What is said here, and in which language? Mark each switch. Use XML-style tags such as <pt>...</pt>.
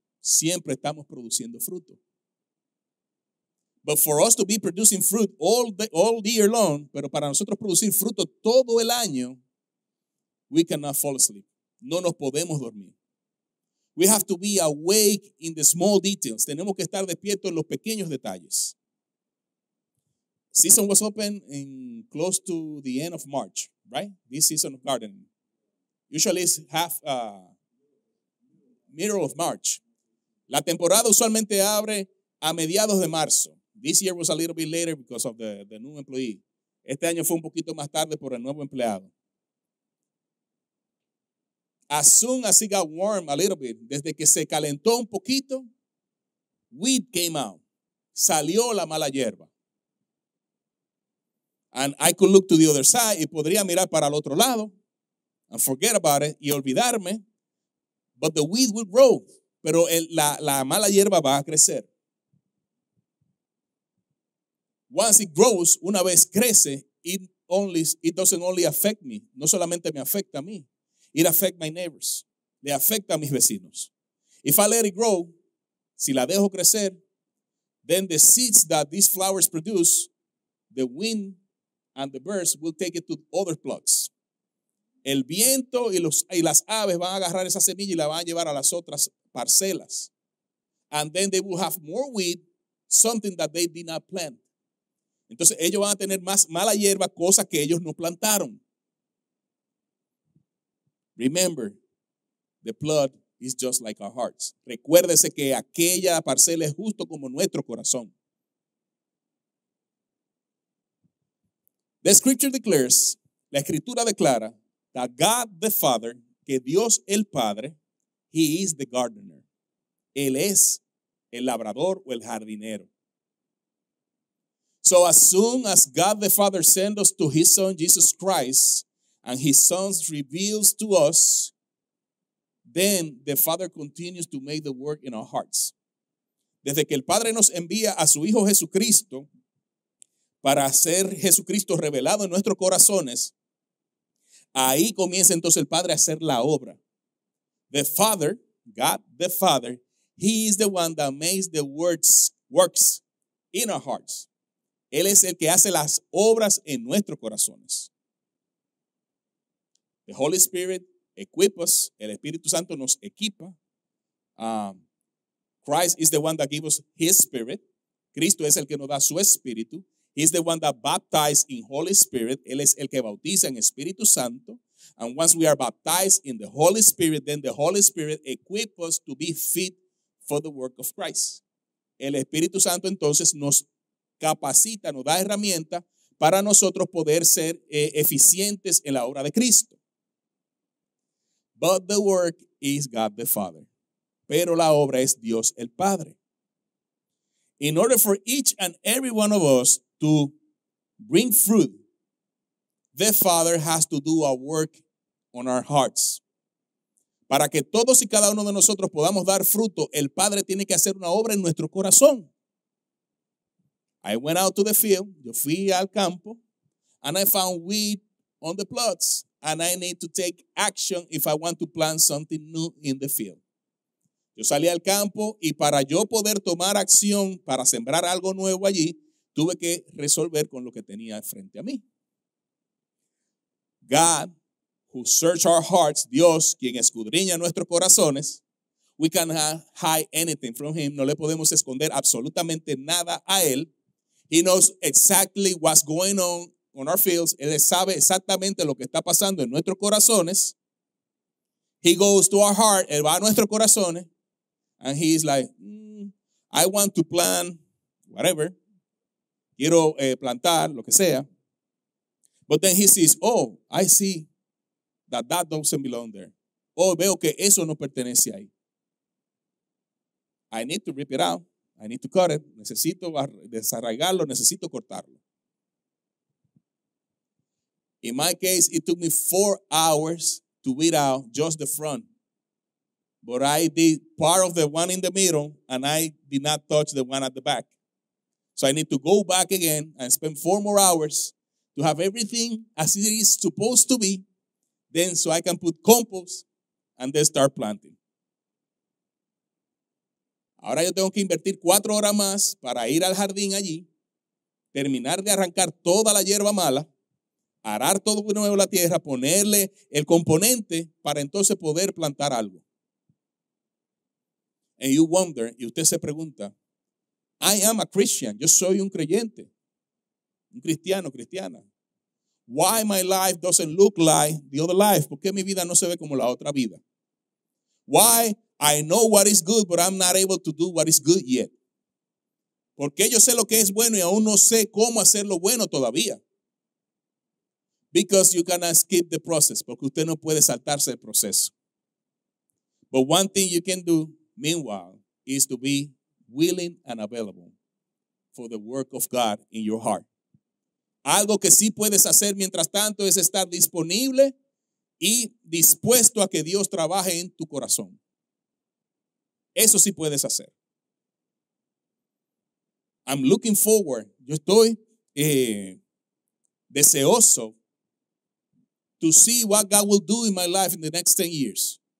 <es>Siempre estamos produciendo fruto.</es> <en>But for us to be producing fruit all year long,</en> <es>pero para nosotros producir fruto todo el año,</es> <en>we cannot fall asleep.</en> <es>No nos podemos dormir.</es> <en>We have to be awake in the small details.</en> <es>Tenemos que estar despiertos en los pequeños detalles.</es> <en>Season was open in close to the end of March, right? This season of gardening. Usually it's half middle of March.</en> <es>La temporada usualmente abre a mediados de marzo.</es> <en>This year was a little bit later because of the new employee.</en> <es>Este año fue un poquito más tarde por el nuevo empleado.</es> <en>As soon as it got warm a little bit,</en> <es>desde que se calentó un poquito,</es> <en>weed came out.</en> <es>Salió la mala hierba.</es> <en>And I could look to the other side</en> <es>y podría mirar para el otro lado.</es> <en>And forget about it,</en> <es>y olvidarme,</es> <en>but the weed will grow.</en> <es>Pero la mala hierba va a crecer.</es> <en>Once it grows,</en> <es>una vez crece,</es> <en>it doesn't only affect me.</en> <es>No solamente me afecta a mí.</es> <en>It affects my neighbors.</en> <es>Le afecta a mis vecinos.</es> <en>If I let it grow,</en> <es>si la dejo crecer,</es> <en>then the seeds that these flowers produce, the wind and the birds will take it to other plots.</en> <es>El viento y las aves van a agarrar esa semilla y la van a llevar a las otras parcelas.</es> <en>And then they will have more wheat, something that they did not plant.</en> <es>Entonces ellos van a tener más mala hierba, cosa que ellos no plantaron.</es> <en>Remember, the plot is just like our hearts.</en> <es>Recuérdese que aquella parcela es justo como nuestro corazón.</es> <en>The scripture declares,</en> <es>la escritura declara,</es> <en>that God the Father,</en> <es>que Dios el Padre,</es> <en>He is the gardener.</en> <es>Él es el labrador o el jardinero.</es> <en>So as soon as God the Father sends us to His Son, Jesus Christ, and His Son reveals to us, then the Father continues to make the work in our hearts.</en> <es>Desde que el Padre nos envía a su Hijo Jesucristo, para hacer Jesucristo revelado en nuestros corazones, ahí comienza entonces el Padre a hacer la obra.</es> <en>The Father, God the Father, He is the one that makes the works in our hearts.</en> <es>Él es el que hace las obras en nuestros corazones.</es> <en>The Holy Spirit equips us.</en> <es>El Espíritu Santo nos equipa.</es> <en>Christ is the one that gives us His Spirit.</en> <es>Cristo es el que nos da su Espíritu.</es> <en>He's the one that baptizes in Holy Spirit.</en> <es>Él es el que bautiza en Espíritu Santo.</es> <en>And once we are baptized in the Holy Spirit, then the Holy Spirit equips us to be fit for the work of Christ.</en> <es>El Espíritu Santo entonces nos capacita, nos da herramienta para nosotros poder ser eficientes en la obra de Cristo.</es> <en>But the work is God the Father.</en> <es>Pero la obra es Dios el Padre.</es> <en>In order for each and every one of us to bring fruit, the Father has to do a work on our hearts.</en> <es>Para que todos y cada uno de nosotros podamos dar fruto, el Padre tiene que hacer una obra en nuestro corazón.</es> <en>I went out to the field,</en> <es>yo fui al campo,</es> <en>and I found wheat on the plots, and I need to take action if I want to plant something new in the field.</en> <es>Yo salí al campo, y para yo poder tomar acción para sembrar algo nuevo allí, tuve que resolver con lo que tenía frente a mí.</es> <en>God, who search our hearts,</en> <es>Dios, quien escudriña nuestros corazones,</es> <en>we cannot hide anything from Him.</en> <es>No le podemos esconder absolutamente nada a Él.</es> <en>He knows exactly what's going on our fields.</en> <es>Él sabe exactamente lo que está pasando en nuestros corazones.</es> <en>He goes to our heart,</en> <es>Él va a nuestros corazones,</es> <en>and He's like, I want to plan whatever.</en> <es>Quiero plantar, lo que sea.</es> <en>But then He says, oh, I see that doesn't belong there.</en> <es>Oh, veo que eso no pertenece ahí.</es> <en>I need to rip it out. I need to cut it.</en> <es>Necesito desarraigarlo. Necesito cortarlo.</es> <en>In my case, it took me 4 hours to weed out just the front. But I did part of the one in the middle, and I did not touch the one at the back. So I need to go back again and spend 4 more hours to have everything as it is supposed to be, then so I can put compost and then start planting.</en> <es>Ahora yo tengo que invertir 4 horas más para ir al jardín allí, terminar de arrancar toda la hierba mala, arar todo de nuevo la tierra, ponerle el componente para entonces poder plantar algo.</es> <en>And you wonder,</en> <es>y usted se pregunta,</es> <en>I am a Christian,</en> <es>yo soy un creyente, un cristiano, cristiana.</es> <en>Why my life doesn't look like the other life?</en> <es>¿Por qué mi vida no se ve como la otra vida?</es> <en>Why I know what is good, but I'm not able to do what is good yet?</en> <es>¿Por qué yo sé lo que es bueno y aún no sé cómo hacerlo bueno todavía?</es> <en>Because you cannot skip the process,</en> <es>porque usted no puede saltarse el proceso.</es> <en>But one thing you can do, meanwhile, is to be willing and available for the work of God in your heart.</en> <es>Algo que sí puedes hacer mientras tanto es estar disponible y dispuesto a que Dios trabaje en tu corazón. Eso sí puedes hacer.</es> <en>I'm looking forward.</en> <es>Yo estoy deseoso</es> <en>to see what God will do in my life in the next 10 years.</en>